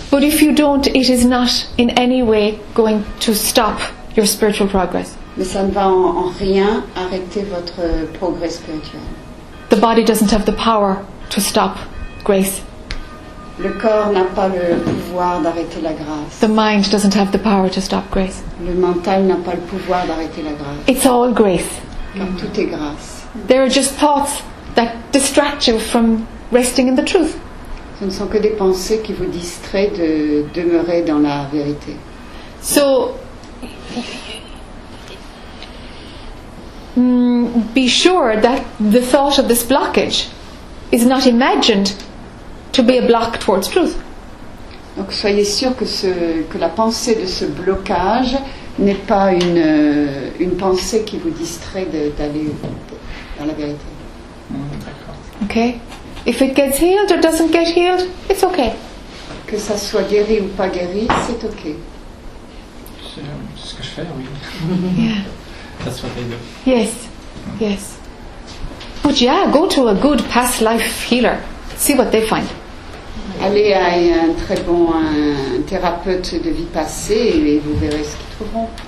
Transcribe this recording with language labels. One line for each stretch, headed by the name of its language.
English: But if you don't, it is not in any way going to stop your spiritual progress.
French: Mais ça ne va en rien arrêter votre progrès spirituel.
English: The body doesn't have the power to stop grace.
French: Le corps n'a pas le pouvoir d'arrêter la grâce.
English: The mind doesn't have the power to stop grace.
French: Le mental n'a pas le pouvoir d'arrêter la grâce.
English: It's all grace.
French: Car tout est grâce.
English: There are just thoughts that distract you from resting in the truth.
French: Ce ne sont que des pensées qui vous distraient de demeurer dans la vérité.
English: So be sure that the thought of this blockage is not imagined to be a block towards truth.
French: Donc soyez sûr que la pensée de ce blocage n'est pas une pensée qui vous distrait d'aller dans la vérité.
English: Okay. If it gets healed or doesn't get healed, it's okay.
French: Que ça soit guéri ou pas guéri, c'est okay. C'est ce que je fais, oui.
English: Yeah.
French: Ça soit guéri.
English: Yes. Yes. But yeah, go to a good past life healer. See what they find.
French: Allez à un très bon thérapeute de vie passée et vous verrez ce qu'ils trouveront.